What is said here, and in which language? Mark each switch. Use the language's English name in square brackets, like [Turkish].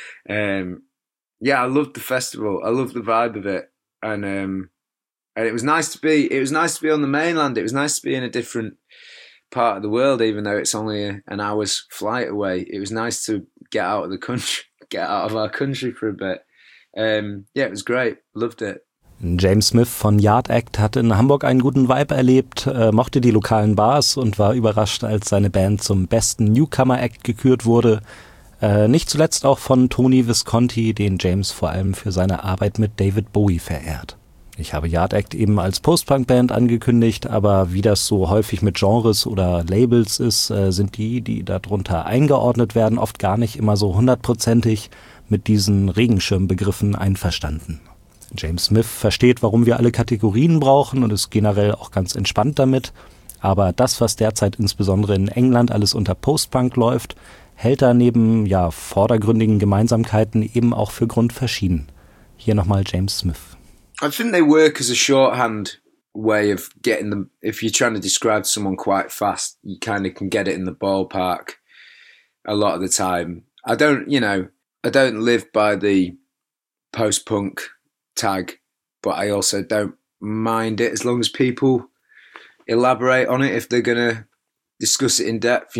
[English] Yeah, I loved the festival. I loved the vibe of it. And it was nice to be on the mainland. It was nice to be in a different part of the world, even though it's only an hour's flight away. It was nice to get out of the country, get out of our country for a bit. Yeah, it was great. Loved it. [German] James Smith von Yard Act hat in Hamburg einen guten Vibe erlebt, mochte die lokalen Bars und war überrascht, als seine Band zum besten Newcomer Act gekürt wurde. Nicht zuletzt auch von Tony Visconti, den James vor allem für seine Arbeit mit David Bowie verehrt. Ich habe Yard Act eben als Post-Punk-Band angekündigt, aber wie das so häufig mit Genres oder Labels ist, sind die, die darunter eingeordnet werden, oft gar nicht immer so hundertprozentig mit diesen Regenschirmbegriffen einverstanden. James Smith versteht, warum wir alle Kategorien brauchen und ist generell auch ganz entspannt damit. Aber das, was derzeit insbesondere in England alles unter Post-Punk läuft, hält er neben ja vordergründigen Gemeinsamkeiten eben auch für grundverschieden. Hier nochmal James Smith. [English] I think they work as a shorthand way of getting them. If you're trying to describe someone quite fast, you kind of can get it in the ballpark a lot of the time. I don't live by the post-punk tag, but I also don't mind it as long as people elaborate on it if they're going to discuss it in depth.